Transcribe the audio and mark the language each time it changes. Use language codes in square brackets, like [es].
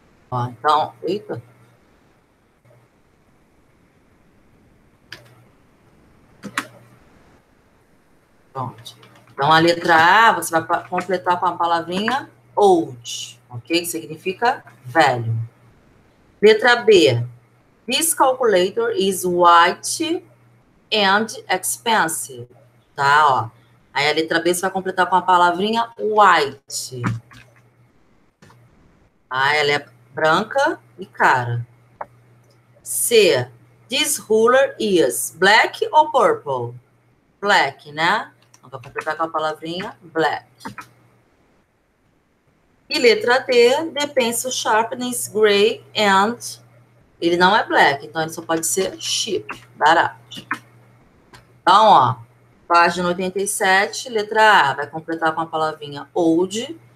[pt] Ó, então, eita. Pronto. Então, a letra A, você vai completar com a palavrinha old, ok? Significa velho. Letra B. [en] This calculator is white and expensive. [pt] Tá, ó. Aí a letra B você vai completar com a palavrinha white. Ah, ela é branca e cara. C. [en] This ruler is black or purple? [pt] Black, né? Então, vou completar com a palavrinha black. E letra D. [en] The pencil sharpens gray and. [pt] Ele não é black, então ele só pode ser cheap, barato. Então, ó, página 87, letra A, vai completar com a palavrinha old.